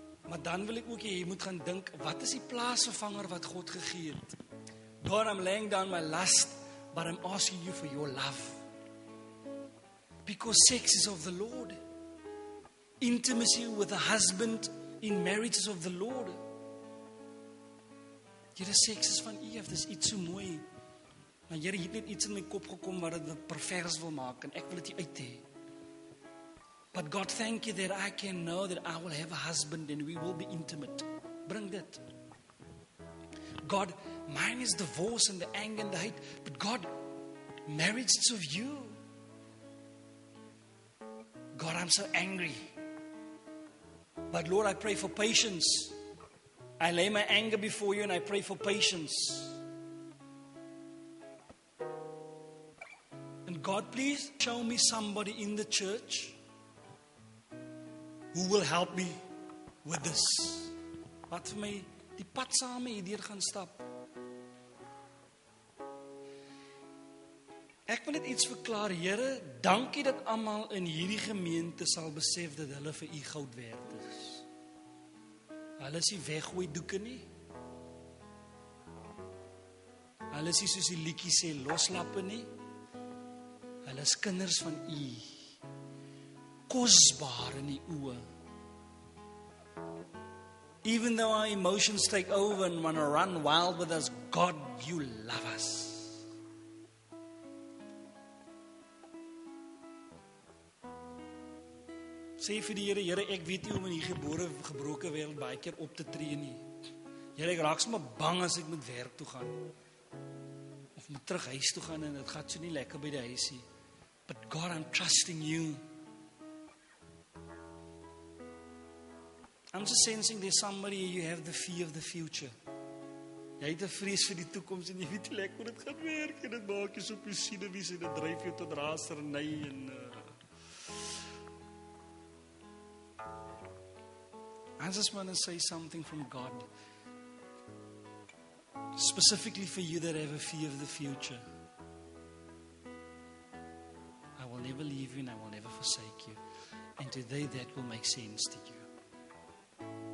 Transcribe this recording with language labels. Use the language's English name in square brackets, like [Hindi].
[Afrikaans] Maar dan wil ek ook, jy moet gaan dink, wat is die plaasvervanger wat God gegee het? [English] God, I'm laying down my lust, but I'm asking you for your love. Because sex is of the Lord. Intimacy with a husband in marriage is of the Lord. [Afrikaans] Jyre, sex is van Eve, dis iets so mooi. Maar Jere, hier het iets in my kop gekom wat het pervers wil maak en ek wil het hier uit hee. [English] But God, thank you that I can know that I will have a husband and we will be intimate. [Afrikaans] Bring dit. [English] God, mine is divorce and the anger and the hate, but God, marriage is of you. God, I'm so angry. But Lord, I pray for patience. I lay my anger before you and I pray for patience. And God, please show me somebody in the church who will help me with this. [Afrikaans] Wat vir my die pad saam mee hierdeur gaan stap. Ek wil net iets verklaar, Here, dankie dat almal in hierdie gemeente sal besef dat hulle vir u goud werd is. Hulle is nie weggooi doeke nie. Hulle is nie soos die liedjie sê loslappe nie. Hulle is kinders van u. Kosbaar in die oë. [English] Even though our emotions take over and want to run wild with us, God, you love us. [Afrikaans] Sê vir die Here, Here, ek weet nie hoe om in hierdie gebore gebroke wêreld baie keer op te tree nie. Here, ek raak sommer bang as ek moet werk toe gaan. Of moet terug huis toe gaan en dit gaat so nie lekker by die huis nie. [English] But God, I'm trusting you. I'm just sensing there's somebody you have the fear of the future. [Afrikaans] Jy het 'n vrees vir die toekoms en jy weet nie lekker hoe dit gaan werk en dit maak jy so pessimisties en dit dryf jou tot raserny en [English] I just want to say something from God specifically for you that have a fear of the future. I will never leave you and I will never forsake you, and today that will make sense to you.